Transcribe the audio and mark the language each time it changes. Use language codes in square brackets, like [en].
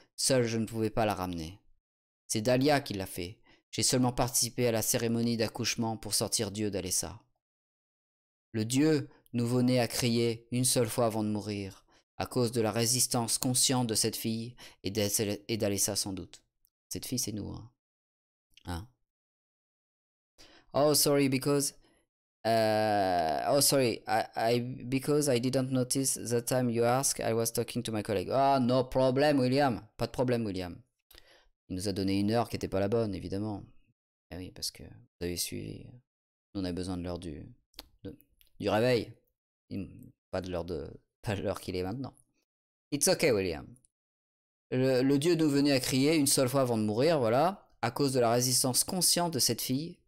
[fr] Seule, je ne pouvais pas la ramener. C'est Dahlia qui l'a fait. J'ai seulement participé à la cérémonie d'accouchement pour sortir Dieu d'Alessa. Le Dieu nouveau-né a crié une seule fois avant de mourir, à cause de la résistance consciente de cette fille et d'Alessa sans doute. Cette fille, c'est nous, hein. Hein? [en] Oh, sorry, because I didn't notice the time you ask, I was talking to my colleague. Ah, no problem, William. [fr] Pas de problème, William. Il nous a donné 1 heure qui n'était pas la bonne, évidemment. Eh oui, parce que vous avez suivi. Nous, on a besoin de l'heure du réveil. Pas de l'heure qu'il est maintenant. [en] It's okay, William. [fr] Le Dieu nous venait à crier une seule fois avant de mourir, voilà, à cause de la résistance consciente de cette fille.